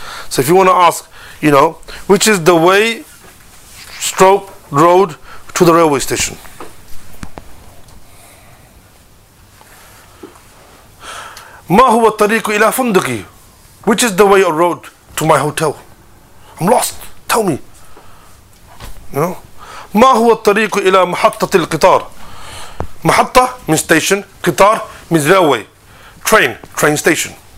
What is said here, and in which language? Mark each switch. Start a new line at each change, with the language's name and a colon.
English: So if you want to ask, you know, which is the way, stroke, road to the railway station?
Arabic: ما هو الطريق إلى فندقي?
English: Which is the way or road to my hotel? I'm lost. Tell me. You know?
Arabic: ما هو الطريق إلى محطة القطار?
English: محطة means station. قطار means railway. Train station.